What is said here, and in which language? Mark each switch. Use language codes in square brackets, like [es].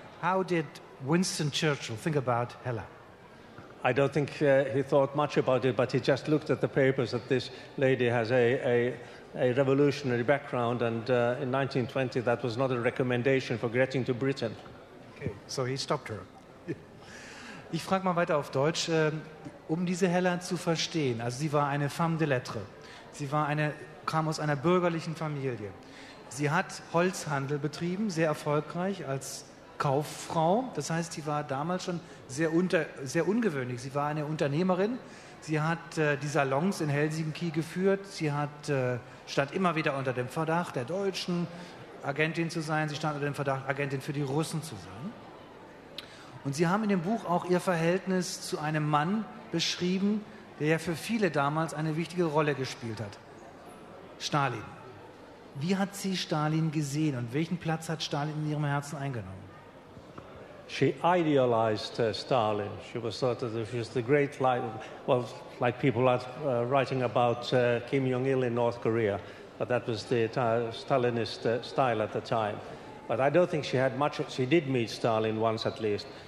[en] How did Winston Churchill think about Hella? I don't think he thought much about it, but he just looked at the papers that this lady has a revolutionary background, and in 1920 that was not a recommendation for getting to Britain. Okay, so he stopped her. [de] Ich frage mal weiter auf Deutsch, diese Hella zu verstehen. Also sie war eine femme de lettres. Sie war kam aus einer bürgerlichen Familie. Sie hat Holzhandel betrieben, sehr erfolgreich als Kauffrau. Das heißt, sie war damals schon sehr ungewöhnlich. Sie war eine Unternehmerin. Sie hat die Salons in Helsinki geführt. Sie stand immer wieder unter dem Verdacht, der deutschen Agentin zu sein. Sie stand unter dem Verdacht, Agentin für die Russen zu sein. Und Sie haben in dem Buch auch Ihr Verhältnis zu einem Mann beschrieben, der ja für viele damals eine wichtige Rolle gespielt hat. Stalin. Wie hat sie Stalin gesehen und welchen Platz hat Stalin in ihrem Herzen eingenommen? [en] She idealized Stalin. She was thought of as the great like people are writing about Kim Jong-il in North Korea, but that was the Stalinist style at the time. But I don't think she had much. She did meet Stalin once at least.